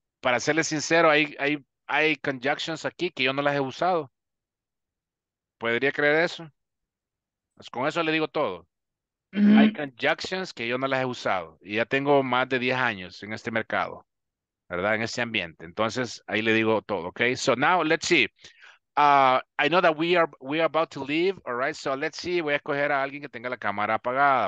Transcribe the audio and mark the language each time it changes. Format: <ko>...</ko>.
<es>Para serle sincero, hay conjunctions aquí que yo no las he usado. ¿Podría creer eso? Pues con eso le digo todo. Mm-hmm. Hay conjunctions que yo no las he usado. Y ya tengo más de 10 años en este mercado. ¿Verdad? En este ambiente. Entonces, ahí le digo todo. Okay.</es> <en>So now, let's see. I know that we are about to leave. All right. So let's see.</en> <es>Voy a escoger a alguien que tenga la cámara apagada.</es>